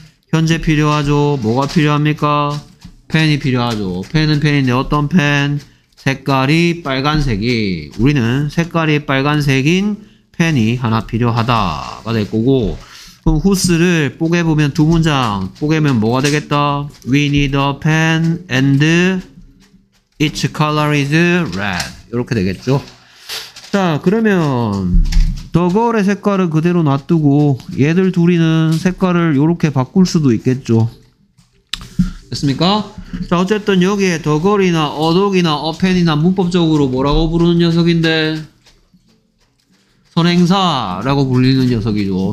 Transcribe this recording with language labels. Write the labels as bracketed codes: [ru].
[ko] 현재 필요하죠. 뭐가 필요합니까? 펜이 필요하죠. 펜은 펜인데 어떤 펜? 색깔이 빨간색이. 우리는 색깔이 빨간색인 펜이 하나 필요하다가 될 거고. 그럼 whose를 뽀개보면 두 문장. 뽀개면 뭐가 되겠다? [en] We need a pen and its color is red. [ko] 이렇게 되겠죠. 자, 그러면 더 걸의 색깔은 그대로 놔두고 얘들 둘이는 색깔을 이렇게 바꿀 수도 있겠죠. 됐습니까? 자, 어쨌든 여기에 더 걸이나 어독이나 어펜이나 문법적으로 뭐라고 부르는 녀석인데 선행사라고 불리는 녀석이죠.